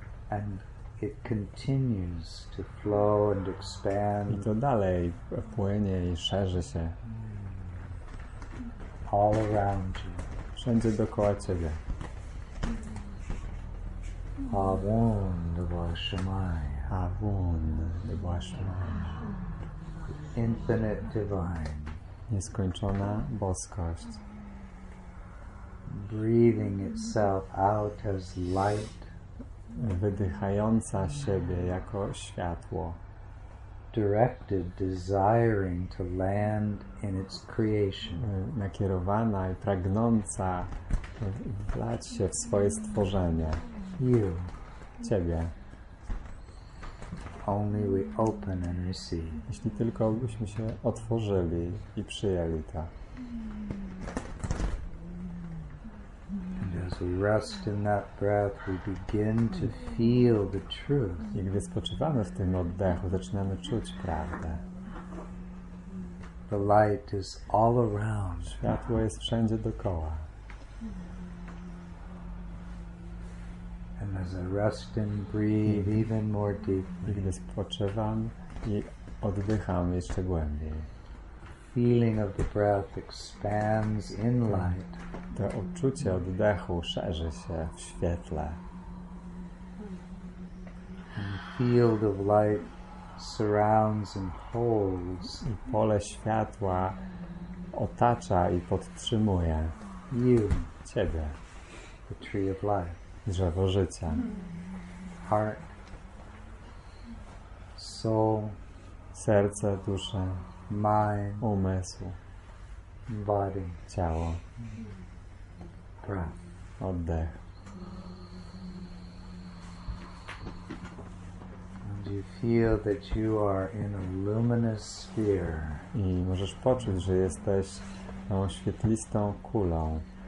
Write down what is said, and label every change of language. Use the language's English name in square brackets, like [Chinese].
[English] And it continues to flow and expand. [Polish] I to dalej płynie i szerzy się. [English] All around you. [Polish] Wszędzie dookoła ciebie. [Aramaic] Avon de Vashemaya. Avon de Vashemaya. [English] Infinite divine. [Polish] Nieskończona boskość. [English] Breathing itself out as light. [Polish] Wydychająca siebie jako światło. [English] Directed, desiring to land in its creation. [Polish] Nakierowana i pragnąca wlać się w swoje stworzenie. [English] You. [Polish] Ciebie. [English] Only we open and receive. [Polish] Jeśli tylko byśmy się otworzyli i przyjęli to. [English] And as we rest in that breath, we begin to feel the truth. [Polish] I gdy spoczywamy w tym oddechu, zaczynamy czuć prawdę. [English] The light is all around. [Polish] Światło jest wszędzie dookoła. [English] And as I rest and breathe even more deeply, [Polish] gdy spoczywam i oddycham jeszcze głębiej, [English] feeling of the breath expands in light. [Polish] To odczucie oddechu szerzy się w świetle. [English] And the field of light surrounds and holds. [Polish] I pole światła otacza i podtrzymuje [English] you, [Polish] ciebie, [English] the tree of life. [Polish] Drzewo życia. [English] Heart, soul, [Polish] serce, dusza, [English] mind, [Polish] umysł, [English] body, [Polish] ciało, [English] breath, [Polish] oddech. [English] And you feel that you are in a luminous sphere. [Polish] I możesz poczuć, że jesteś tą świetlistą kulą